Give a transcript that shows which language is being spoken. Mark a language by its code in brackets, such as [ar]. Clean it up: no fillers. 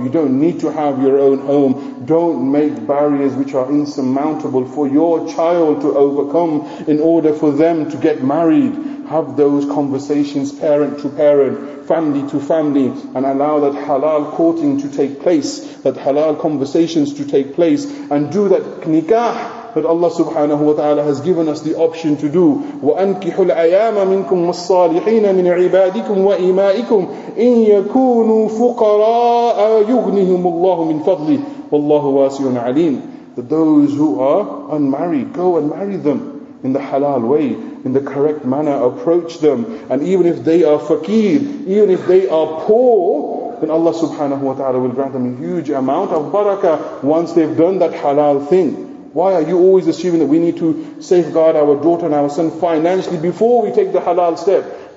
[en] You don't need to have your own home. Don't make barriers which are insurmountable for your child to overcome in order for them to get married. Have those conversations parent to parent, family to family, and allow that halal courting to take place, that halal conversations to take place, and do that nikah that Allah subhanahu wa ta'ala has given us the option to do. [ar] وَأَنْكِحُ الْأَيَامَ مِنْكُمْ وَالصَّالِحِينَ مِنْ عِبَادِكُمْ وَإِمَائِكُمْ إِنْ يَكُونُوا فُقَرَاءَ يُغْنِهُمُ اللَّهُ مِنْ فَضْلِهِ وَاللَّهُ وَاسِعٌ عَلِيمٌ. [en] That those who are unmarried, go and marry them. in the halal way, in the correct manner, approach them. And even if they are faqir, even if they are poor, then Allah subhanahu wa ta'ala will grant them a huge amount of barakah once they've done that halal thing. Why are you always assuming that we need to safeguard our daughter and our son financially before we take the halal step?